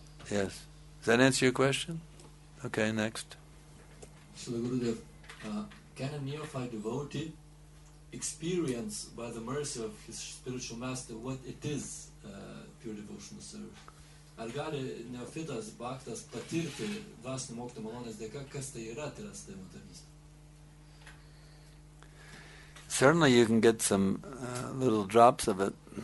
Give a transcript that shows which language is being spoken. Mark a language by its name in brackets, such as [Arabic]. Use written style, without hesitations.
[English] Yes. Does that answer your question? Okay, next. So the Gurudev, can a neophyte devotee experience by the mercy of his spiritual master what it is pure devotional service? [Lithuanian] Ar gali neofitas bhaktas patirti dvasinio mokyto malonės dėka, kas tai yra, tai yra sutėjimo tarnystė? [English] Certainly you can get some little drops of it.